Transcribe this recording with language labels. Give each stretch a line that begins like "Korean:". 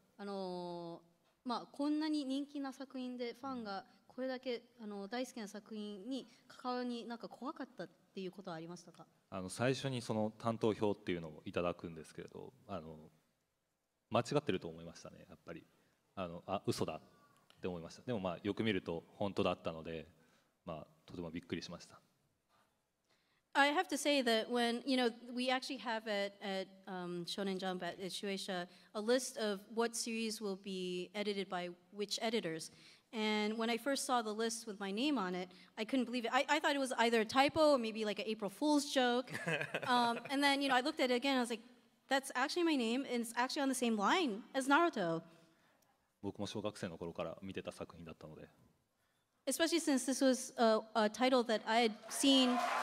Japanese: こんなに人気な作品でファンがこれだけ大好きな作品に関わるになんか怖かったっていうことはありましたか？最初にその担当票っていうのをいただくんですけれど、間違ってると思いましたね、やっぱり。嘘だって思いました。でもよく見ると本当だったので、とてもびっくりしました。
English: I have to say that when, you know, we actually have it at Shonen Jump at Shueisha, a list of what series will be edited by which editors. And when I first saw the list with my name on it, I couldn't believe it. I thought it was either a typo or maybe like an April Fool's joke. and then, I looked at it again, I was like, that's actually my name, and it's actually on the same line as Naruto.
Japanese: 僕も小学生の頃から見てた作品だったので。
English: Especially since this was a title that I had seen.